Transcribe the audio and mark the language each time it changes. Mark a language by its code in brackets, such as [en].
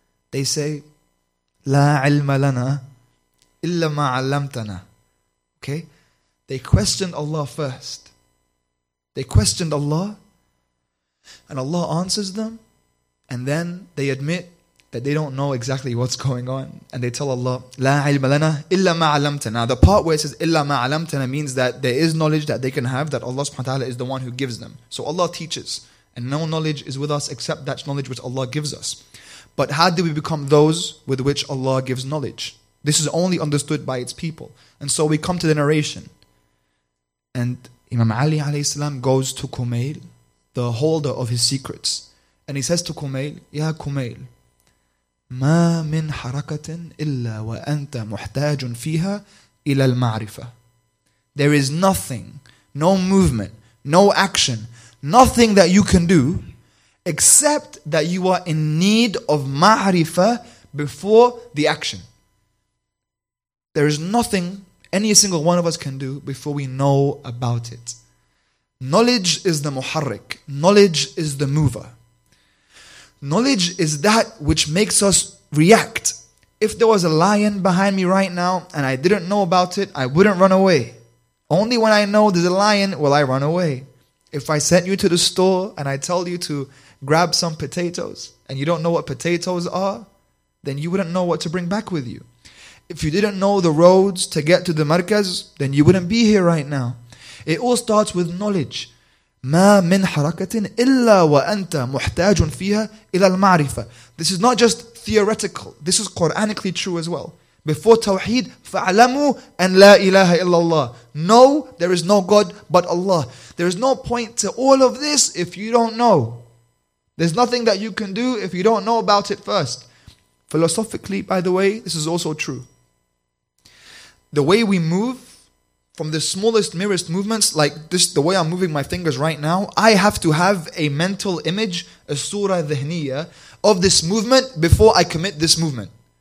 [en] They say, [ar] la ilma lana illa ma 'allamtana. [en] Okay? They questioned Allah first. They questioned Allah, and Allah answers them, and then they admit that they don't know exactly what's going on. And they tell Allah, [ar] لَا عِلْمَ لَنَا إِلَّا مَا عَلَمْتَنَا. [en] Now the part where it says, [ar] إِلَّا مَا عَلَمْتَنَا, [en] means that there is knowledge that they can have, that Allah subhanahu wa ta'ala is the one who gives them. So Allah teaches. And no knowledge is with us except that knowledge which Allah gives us. But how do we become those with which Allah gives knowledge? This is only understood by its people. And so we come to the narration. And Imam Ali alayhi salam goes to Kumail, the holder of his secrets. And he says to Kumail, Ya Kumail, [ar] مَا مِنْ حَرَكَةٍ إِلَّا وَأَنْتَ مُحْتَاجٌ فِيهَا إِلَى الْمَعْرِفَةِ. [en] There is nothing, no movement, no action, nothing that you can do except that you are in need of ma'rifah before the action. There is nothing any single one of us can do before we know about it. Knowledge is the muharrik. Knowledge is the mover. Knowledge is that which makes us react. If there was a lion behind me right now and I didn't know about it, I wouldn't run away. Only when I know there's a lion will I run away. If I sent you to the store and I tell you to grab some potatoes and you don't know what potatoes are, then you wouldn't know what to bring back with you. If you didn't know the roads to get to the markaz, then you wouldn't be here right now. It all starts with knowledge. [ar] مَا مِنْ حَرَكَةٍ إِلَّا وَأَنْتَ مُحْتَاجٌ فِيهَا إِلَى الْمَعْرِفَةِ. [en] This is not just theoretical. This is Quranically true as well. Before Tawheed, [ar] فَعْلَمُوا أَنْ لَا إِلَهَ إِلَّا اللَّهِ. [en] No, there is no God but Allah. There is no point to all of this if you don't know. There's nothing that you can do if you don't know about it first. Philosophically, by the way, this is also true. The way we move, from the smallest, merest movements, like this, the way I'm moving my fingers right now, I have to have a mental image, a surah dhahniya, of this movement before I commit this movement.